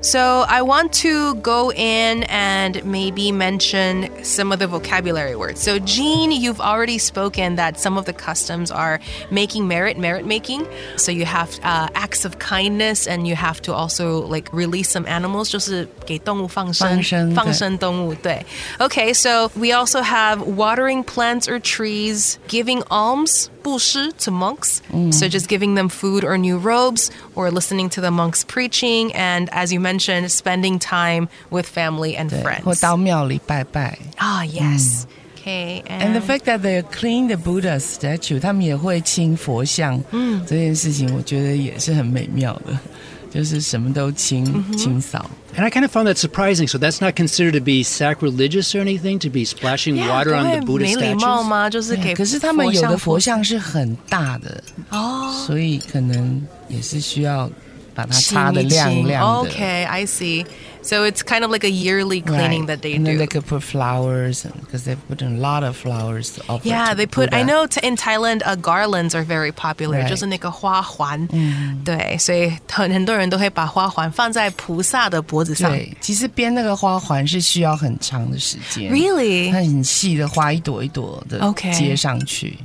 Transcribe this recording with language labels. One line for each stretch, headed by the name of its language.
English: So I want to go in and maybe mention some of the vocabulary words. So Jeane, you've already spoken that some of the customs are making merit making. So you have acts of kindness, and you have to also like release some animals.
Chinese: 就是给动物放生动物对。
English: Okay, so we also have watering plants or trees, giving alms. 布施 to monks, so just giving them food or new robes, or listening to the monks preaching, and as you mentioned, spending time with family and friends.
Chinese: 或到庙里拜拜。
English: Ah, yes. Okay. And the fact that they clean the Buddha statue, 他们也会清佛像。
Chinese: 这件事情我觉得也是很美妙的，就是什么都清清扫。
English: And I kind of found that surprising. So that's not considered to be sacrilegious or anything, to be splashing yeah, water on the Buddha statues?
Chinese: 没礼貌吗？就是给可是他们有的佛像是很大的。哦。所以可能也是需要把它擦得亮亮的。
English: Okay, I see. So it's kind of like a yearly cleaning right, that they do. And then they could put flowers, because they put in a lot of flowers to offer yeah, to they put, I know in Thailand, garlands are very popular.
Chinese: Right. 就是那个花环。对，所以很多人都会把花环放在菩萨的脖子上。对，其实编那个花环是需要很长的时间。
English: Really?
Chinese: 它很细的花，一朵一朵的接上去。